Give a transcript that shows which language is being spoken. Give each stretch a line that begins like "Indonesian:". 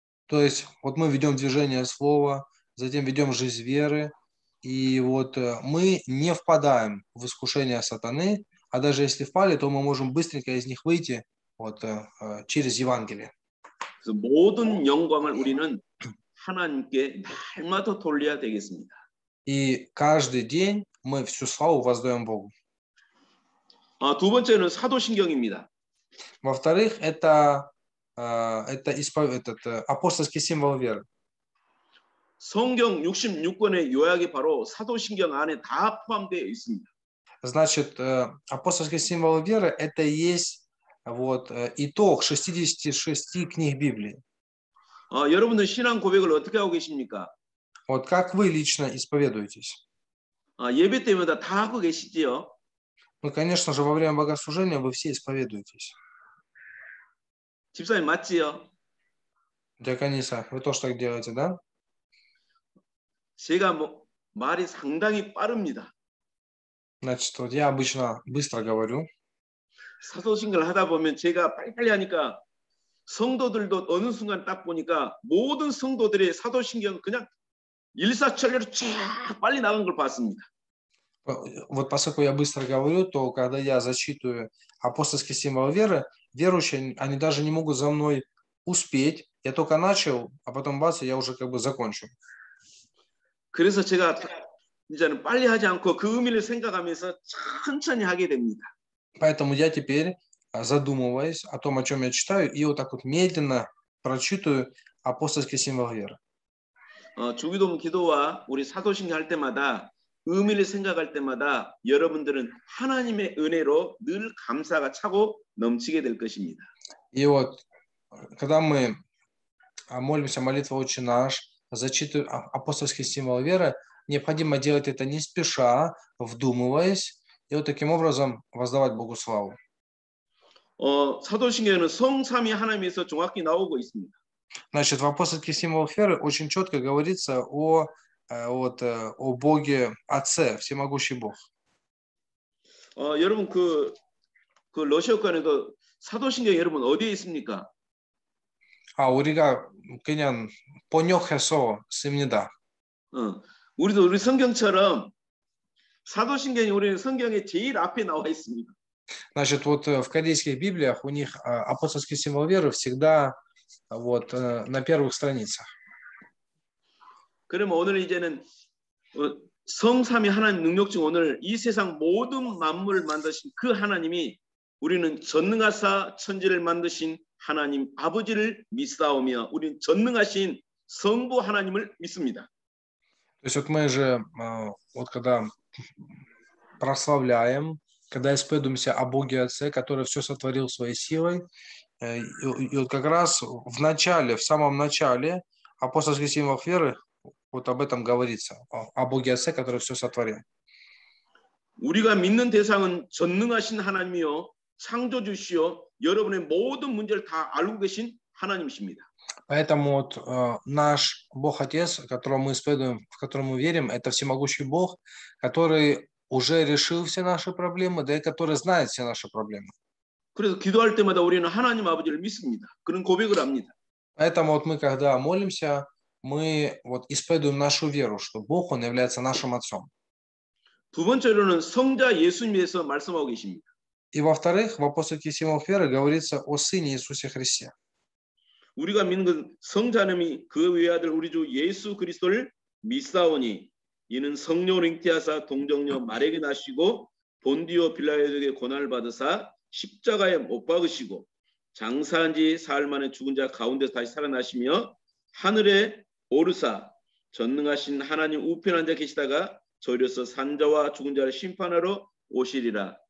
Russian: То есть вот мы ведём движение слова, затем ведём жизнь веры, и вот мы не впадаем в искушения сатаны. А даже если впали, то мы можем быстренько из них выйти вот через Евангелие.
Korean: 그래서 모든 영광을 우리는 하나님께 날마다 돌려야 되겠습니다.
Russian: И каждый день мы всю славу воздаем Богу.
Korean: 두 번째는 사도신경입니다.
Russian: Во-вторых, это апостольский символ веры.
Korean: 성경 66권의 요약이 바로 사도신경 안에 다 포함되어 있습니다.
Russian: Значит, апостольский символ веры – это и есть вот итог 66 книг Библии.
Korean: 여러분들 신앙 고백을 어떻게 하고 계십니까?
Russian: Вот как вы лично исповедуетесь?
Korean: 예배 때마다 다 하고 계시지요?
Russian: Ну, конечно же, во время богослужения вы все исповедуетесь.
Korean: 집사님 맞지요?
Russian: Диакониса, вы тоже так делаете, да?
Korean: 제가 뭐 말이 상당히 빠릅니다.
Russian: Значит, вот я обычно быстро говорю.
Korean: 사도신경을 하다 보면 제가 빨리빨리 하니까 성도들도 어느 순간 딱 보니까 모든 성도들의 사도신경 그냥 일사천리로 쫙 빨리 나간 걸 봤습니다.
Russian: Вот поскольку я быстро говорю, то когда я зачитываю апостольский символ веры, верующие они даже не могут за мной успеть. Я только начал, а потом бац, я уже как бы закончу.
Korean: 그래서 제가 이제는 빨리 하지 않고 그 의미를 생각하면서 천천히 하게 됩니다.
Russian: Поэтому я теперь задумываюсь о том, о чём я читаю, и вот так вот медленно прочитываю апостольский символ веры.
Korean: 주기도문 기도와 우리 사도신경 할 때마다 의미를 생각할 때마다 여러분들은 하나님의 은혜로 늘 감사가 차고 넘치게 될 것입니다.
Russian: И вот когда мы молимся молитву Отче наш, зачитываем апостольский символ веры, необходимо делать это не спеша, вдумываясь, и вот таким образом воздавать Богу славу.
Korean: 사도신경에는 성삼위 하나님에서 정확히 나오고 있습니다.
Russian: Значит, в апостольских символах веры очень четко говорится о Боге Отце, всемогущий Бог.
Korean: 여러분 그 러시아권에도 사도신경 여러분 어디에 있습니까? 아, 우리가 그냥 번역해서 씁니다. 우리도 우리 성경처럼 사도신경이 우리는 성경의 제일 앞에 나와 있습니다.
Russian: Значит, вот в корейских библиях у них апостольский символ веры всегда вот на первых страницах.
Korean: 그럼 오늘 이제는 성삼위 하나님 능력 중 오늘 이 세상 모든 만물을 만드신 그 하나님이 우리는 전능하사 천지를 만드신 하나님 아버지를 믿사오며 우리는 전능하신 성부 하나님을 믿습니다.
Russian: То есть вот мы же вот когда прославляем, когда исповедуемся о Боге Отце, который все сотворил своей силой, и вот как раз в начале, в самом начале апостольских символов веры вот об этом говорится, о Боге Отце, который все сотворил.
Korean: 우리가 믿는 대상은 전능하신 하나님이요, 창조주시요, 여러분의 모든 문제를 다 알고 계신 하나님이십니다.
Russian: Поэтому вот наш Бог Отец, которого мы исповедуем, в которого мы верим, это всемогущий Бог, который уже решил все наши проблемы, да и который знает все наши проблемы.
Korean: 그래서 기도할 때마다 우리는 하나님 아버지를 믿습니다. 그런 고백을 합니다.
Russian: Поэтому вот мы когда молимся, мы вот исповедуем нашу веру, что Бог он является нашим отцом.
Korean: 두 번째로는 성자 예수님께서 말씀하고 계십니다.
Russian: И во-вторых, в апостольских символах веры говорится о Сыне Иисусе Христе.
Korean: 우리가 믿는 건 성자님이 그 외아들 우리 주 예수 그리스도를 믿사오니 이는 성령으로 잉태하사 동정녀 마리아에게 나시고 본디오 빌라도에게 고난을 받으사 십자가에 못 박으시고 장사한 지 사흘 만에 죽은 자 가운데서 다시 살아나시며 하늘에 오르사 전능하신 하나님 우편에 앉아 계시다가 저리로서 산자와 죽은 자를 심판하러 오시리라.